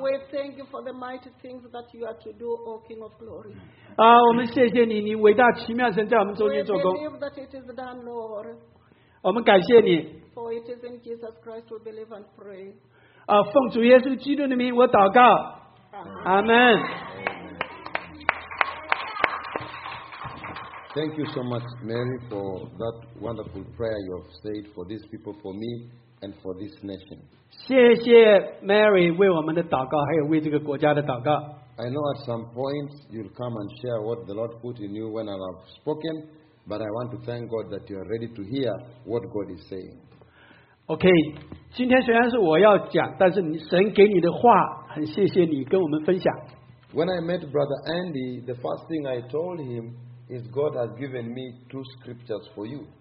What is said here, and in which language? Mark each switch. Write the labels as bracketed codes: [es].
[en] We thank you for the mighty things that you are to do, O King of Glory. [zh] 我们谢谢你，你伟大奇妙神在我们中间做工。 [en] We believe that it is done, Lord. [zh] 我们感谢你。 [en] For it is in Jesus Christ we believe and pray. [zh] 奉主耶稣基督的名，我祷告。阿门。 [en] Thank you so much, Mary, for that wonderful prayer you have said for these people, for me, and for this nation. [zh] 谢谢Mary为我们的祷告，还有为这个国家的祷告。 [en] I know at some point you'll come and share what the Lord put in you when I have spoken, but I want to thank God that you are ready to hear what God is saying. [zh] OK, 今天虽然是我要讲，但是神给你的话，很谢谢你跟我们分享。 [en] When I met Brother Andy, the first thing I told him is God has given me two scriptures for you.